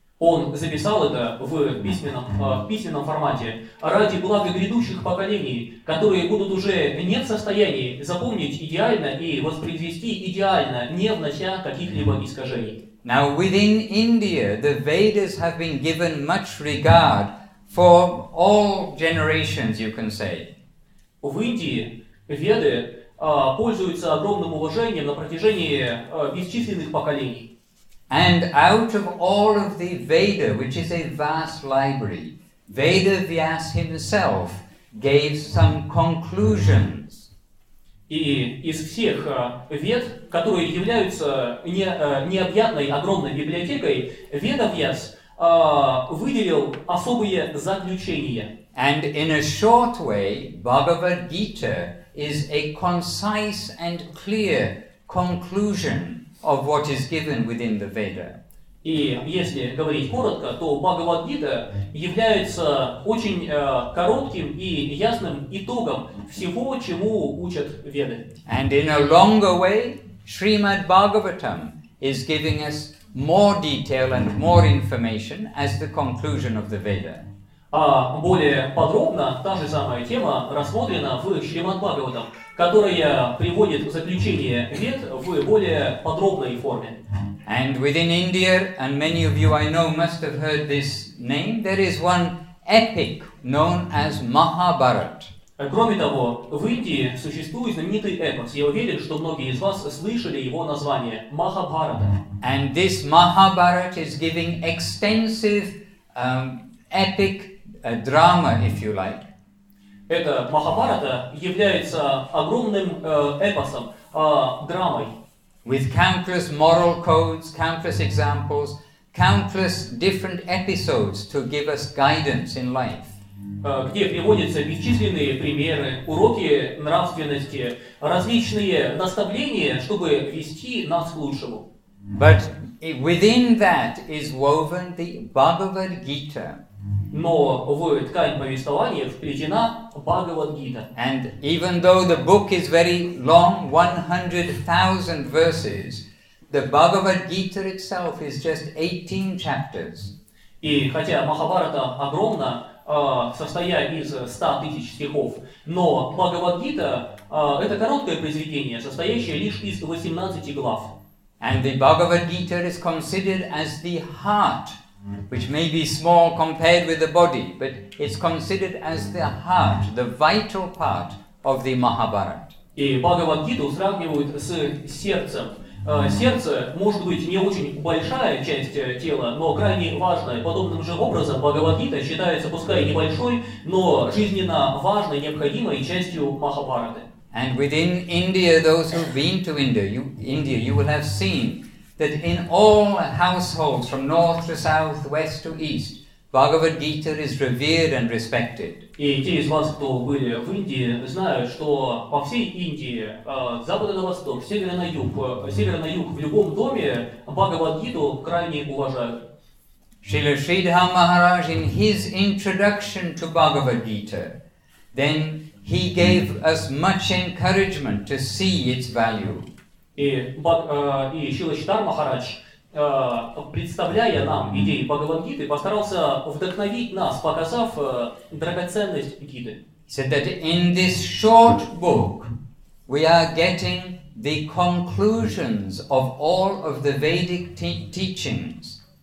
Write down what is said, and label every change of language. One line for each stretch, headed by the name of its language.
Russian: Он записал это в письменном формате ради блага грядущих поколений, которые будут уже не в состоянии запомнить идеально и воспроизвести идеально, не внося каких-либо искажений.
English: Now, within India, the Vedas have been given much regard for all generations, you can say.
Russian: В Индии Веды пользуются огромным уважением на протяжении бесчисленных поколений.
English: And out of all of the Veda, which is a vast library, Vedavyas himself gave some conclusions.
Russian: И из всех вед, которые являются необъятной огромной библиотекой, Ведавьяс выделил особые заключения.
English: And in a short way, Bhagavad Gita is a concise and clear conclusion of what is given within the Veda.
Russian: И если говорить коротко, то Бхагавад-гита является очень коротким и ясным итогом всего, чему учат Веды.
English: And in a longer way, Śrīmad-Bhāgavatam is giving us more detail and more information as the conclusion of the Veda.
Russian: А более подробно та же самая тема рассмотрена в Śrīmad-Bhāgavatam, которая приводит в заключение Вед в более подробной форме.
English: And within India, and many of you I know must have heard this name, there is one epic known as Mahabharat.
Russian: Кроме того, в Индии существует знаменитый эпос. Я уверен, что многие из вас слышали его название Махабхарата.
English: And this Mahabharat is giving extensive epic drama, if you like.
Russian: Это Махабхарата является огромным эпосом, драмой.
English: With countless moral codes, countless examples, countless different episodes to give us guidance in life.
Russian: Где приводятся бесчисленные примеры, уроки нравственности, различные наставления, чтобы вести нас к лучшему.
English: But within that is woven the Bhagavad Gita.
Russian: Но в ткань повествования вплетена Бхагавад-гита.
English: And even though the book is very long, 100,000 verses, the Bhagavad-gita itself is just 18 chapters.
Russian: И хотя Махабхарата огромна, состоя из 100 тысяч стихов, но Бхагавад-гита это короткое произведение, состоящее лишь из 18 глав.
English: And the Bhagavad-gita is considered as the heart, which may be small compared with the body, but it's considered as the heart, the vital part of the Mahabharat.
Russian: И Бхагавад-гиту сравнивают с сердцем. Сердце может быть не очень большая часть тела, но крайне важная. Подобным же образом Бхагавад-гита считается, пускай небольшой, но жизненно важной, необходимой частью Махабхараты.
English: And within India, those who've been to India, you will have seen that in all households from north to south, west to east, Bhagavad Gita is revered and respected.
Russian: И те из вас, кто были в Индии, знают, что по всей Индии, с запада на восток, с севера на юг, в любом доме Бхагавад-гиту крайне уважают.
English: Śrīla Śrīdhara Maharaj, in his introduction to Bhagavad Gita, then he gave us much encouragement to see its value.
Russian: И Шрила Читар Махарадж, представляя нам идеи Бхагавад-гиты, постарался вдохновить нас, показав драгоценность гиты.
English: Said that in this short book we are getting the conclusions of all of the Vedic teachings.